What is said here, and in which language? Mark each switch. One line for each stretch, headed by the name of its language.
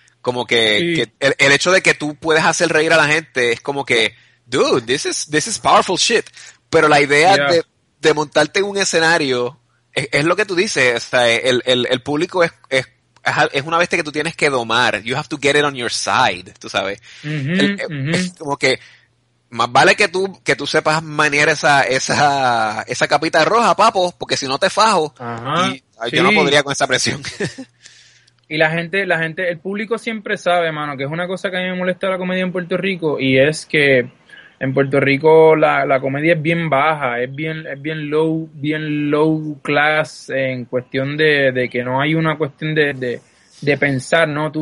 Spanish: Como que, sí, que el hecho de que tú puedes hacer reír a la gente es como que,
English: dude, this is powerful shit.
Spanish: Pero la idea, yeah, de montarte en un escenario es lo que tú dices, o sea, el público es una bestia que tú tienes que domar.
English: You have to get it on your side,
Spanish: tú sabes. Uh-huh, uh-huh. Es como que más vale que tú sepas manejar esa capita roja, papo, porque si no te fajo. Uh-huh. Y yo, sí, no podría con esa presión. Y la gente, el público siempre sabe, mano, que es una cosa que a mí me molesta la comedia en Puerto Rico, y es que en Puerto Rico la comedia es bien baja, es bien
English: low class,
Spanish: en cuestión de que no hay una cuestión de pensar, ¿no?